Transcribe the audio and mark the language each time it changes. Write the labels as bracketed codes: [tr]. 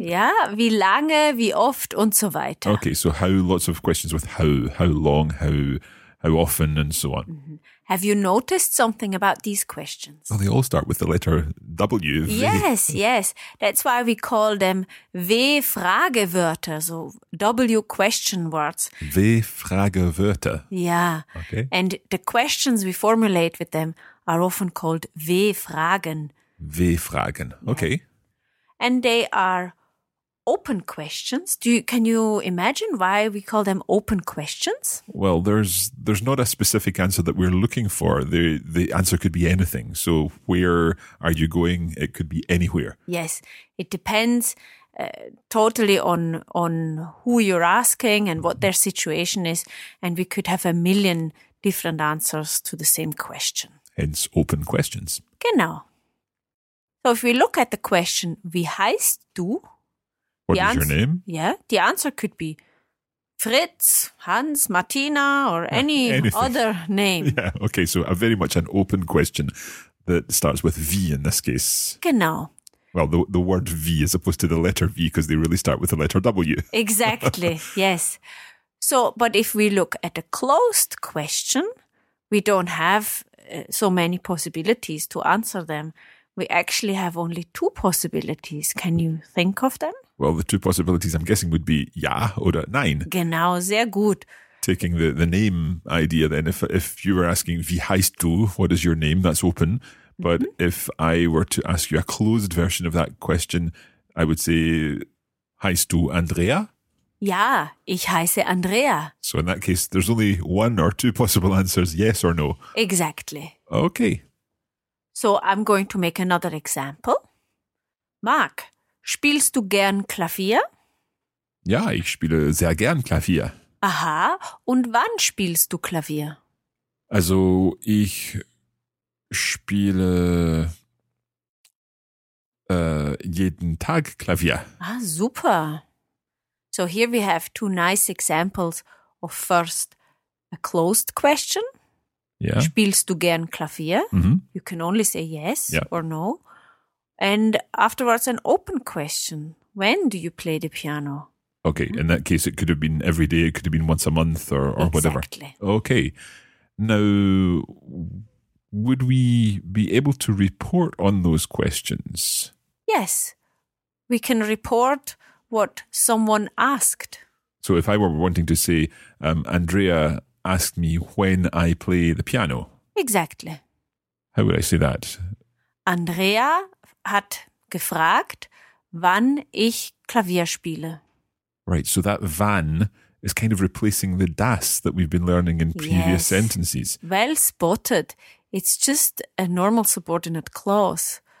[de] Ja, wie lange, wie oft und so weiter. [en] Okay, so how, lots of questions with how long, how often and so on. Mm-hmm. Have you noticed something about these questions? Well, they all start with the letter W. Yes, yes. That's why we call them W-Fragewörter, so W question words. [de] W-Fragewörter. Ja. [en] Okay. And the questions we formulate with them are often called W-Fragen. [de] W-Fragen, okay. [en] And they are open questions. Can you imagine why we call them open questions? Well, there's not a specific answer that we're looking for. The answer could be anything. So where are you going? It could be anywhere. Yes, it depends totally on who you're asking and what their situation is. And we could have a million different answers to the same question. Hence, open questions. [de] Genau. [en] So if we look at the question, [de] wie heißt du? [en] What is your name? Yeah, the answer could be Fritz, Hans, Martina, or any other name. Yeah, okay, so a very much an open question that starts with V in this case. [de] Genau. [en] Well, the word V as opposed to the letter V, because they really start with the letter W. Exactly, yes. So, but if we look at a closed question, we don't have so many possibilities to answer them, we actually have only two possibilities. Can you think of them? Well, the two possibilities I'm guessing would be [de] ja oder nein. Genau, sehr gut. [en] Taking the name idea then, if you were asking, [de] wie heißt du, [en] what is your name, that's open. But mm-hmm. if I were to ask you a closed version of that question, I would say, [de] heißt du Andrea? Ja, ich heiße Andrea. [en] So in that case, there's only one or two possible answers, yes or no. Exactly. Okay. So I'm going to make another example. [de] Mark, spielst du gern Klavier? Ja, ich spiele sehr gern Klavier. Aha, und wann spielst du Klavier? Also ich spiele jeden Tag Klavier. Ah, super. [en] So here we have two nice examples of first a closed question. Yeah. [de] Spielst du gern Klavier? Mm-hmm. [en] You can only say yes yeah. or no. And afterwards an open question. When do you play the piano? Okay, mm-hmm. in that case it could have been every day, it could have been once a month or exactly. whatever. Okay. Now, would we be able to report on those questions? Yes. We can report what someone asked. So if I were wanting to say, Andrea asked me when I play the piano. Exactly. How would I say that? [de] Andrea hat gefragt, wann ich Klavier spiele. [en] Right, so that wann is kind of replacing the das that we've been learning in previous yes. sentences. Well spotted. It's just a normal subordinate clause.